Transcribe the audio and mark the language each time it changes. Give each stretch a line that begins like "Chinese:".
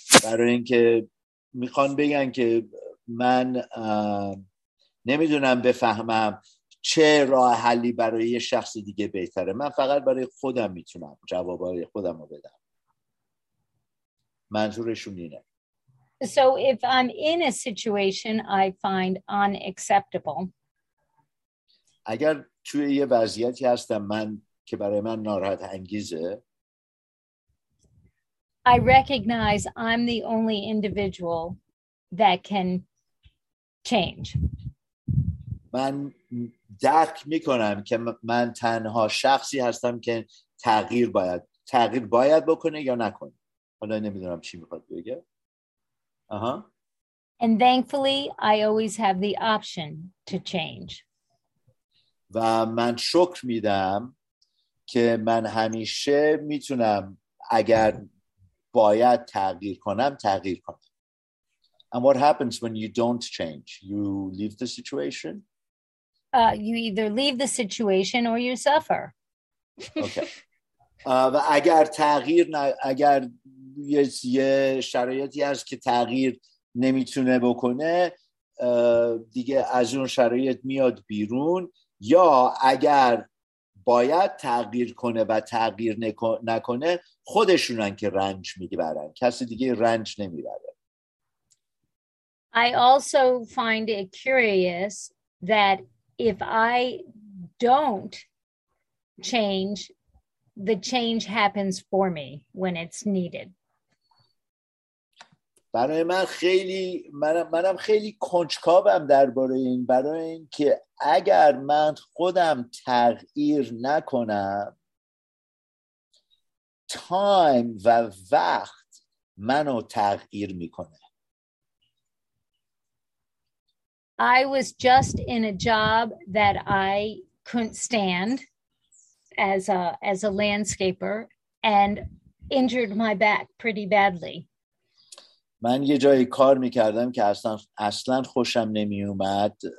Persian: برای اینکه میخوان بگن که من نمیدونم بفهمم چه راه حلی برای یه شخص دیگه بهتره. من فقط برای خودم میتونم جوابای خودم رو بدم. منظورشون اینه.
English: So if I'm in a situation I find unacceptable.
Persian: اگر توی یه وضعیتی هستم من که برای من ناراحت انگیزه.
English: I recognize I'm the only individual that can change.
Persian: من درک میکنم که من تنها شخصی هستم که تغییر باید بکنه یا نکنه. حالا نمیدونم چی میخواد بگه.
English: And thankfully I always have the option to change.
Persian: و من شکر میدم که من همیشه میتونم اگر باید تغییر کنم تغییر کنم.
English: And what happens when you don't change? You leave the situation? You either leave the situation or you suffer. Okay.
Persian: و اگر تغییر اگر یه شرایطی هست که تغییر نمیتونه بکنه دیگه از اون شرایط میاد بیرون یا اگر باید تغییر کنه و تغییر نکنه خودشونن که رنج میبرن کسی دیگه رنج نمیبره.
English: I also find it curious that if I don't change, the change happens for me when it's needed.
Persian: برای من خیلی منم خیلی کنجکاوم درباره این برای اینکه اگر من خودم تغییر نکنم تایم و وقت منو تغییر میکنه.
English: I was just in a job that I couldn't stand as a landscaper and injured my back pretty badly.
Persian: من یه جایی کار میکردم که اصلا خوشم نمیومد.